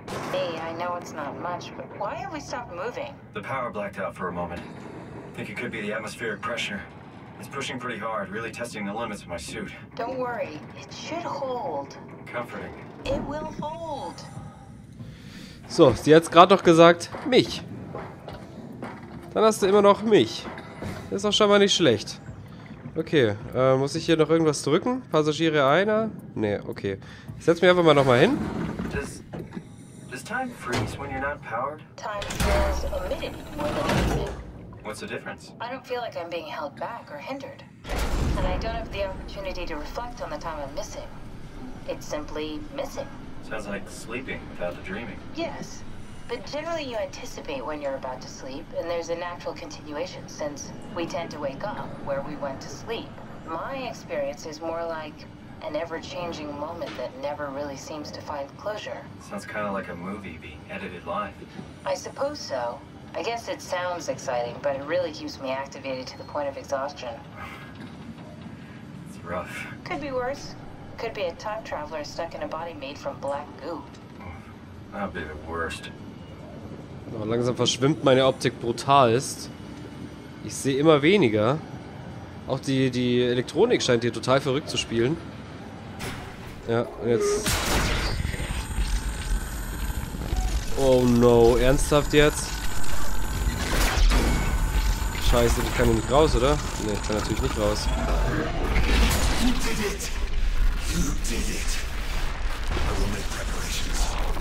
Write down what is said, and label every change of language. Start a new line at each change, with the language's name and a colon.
English: Hey, I know it's not much, but why have we stopped moving? The power blacked out for a moment. Think it could be the atmospheric pressure. It's pushing pretty hard, really testing the limits of my suit. Don't worry, it should hold. Comforting. It will hold.
German: So, sie hat's gerade noch gesagt, mich. Dann hast du immer noch mich. Das ist auch schon mal nicht schlecht. Okay, muss ich hier noch irgendwas drücken? Passagiere einer? Nee, okay. Ich setz mich einfach mal nochmal hin.
English: Does time freeze when you're not powered? Time freezes a minute when it is. What's the difference? I don't feel like I'm being held back or hindered. And I don't have the opportunity to reflect on the time I'm missing. It's simply missing. Sounds like sleeping without the dreaming. Yes. But generally you anticipate when you're about to sleep, and there's a natural continuation since we tend to wake up where we went to sleep. My experience is more like an ever-changing moment that never really seems to find closure. Sounds kind of like a movie being edited live. I suppose so. I guess it sounds exciting, but it really keeps me activated to the point of exhaustion. It's rough. Could be worse. Could be a time traveler stuck in a body made from black goo. That'd be the worst.
German: Aber langsam verschwimmt meine Optik brutalst. Ich sehe immer weniger. Auch die Elektronik scheint hier total verrückt zu spielen. Ja, und jetzt...
English: Oh no,
German: ernsthaft jetzt? Scheiße, ich kann hier nicht raus, oder? Ne, ich kann natürlich nicht raus.
English: You did it! You did it! I will make preparations.